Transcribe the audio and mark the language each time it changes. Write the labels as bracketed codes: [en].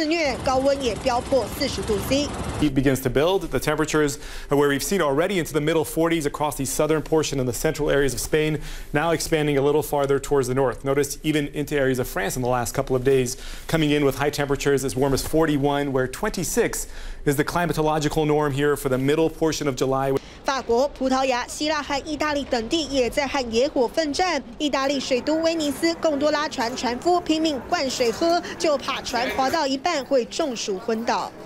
[zh] 只是同一时间，西班牙消防员还在疲于奔命。因为包含东部的加泰隆尼亚、西北部的加西利亚和南部的马拉加省都有野火肆虐，高温也飙破40度C。 [en] Heat begins to build. The temperatures where we've seen already into the middle 40s across the southern portion and the central areas of Spain, now expanding a little farther towards the north. Notice even into areas of France in the last couple of days, coming in with high temperatures as warm as 41, where 26 is the climatological norm here for the middle portion of July. [zh] 法国、葡萄牙、希腊和意大利等地也在和野火奋战。意大利水都威尼斯，贡多拉船夫拼命灌水喝，就怕船滑到一半会中暑昏倒。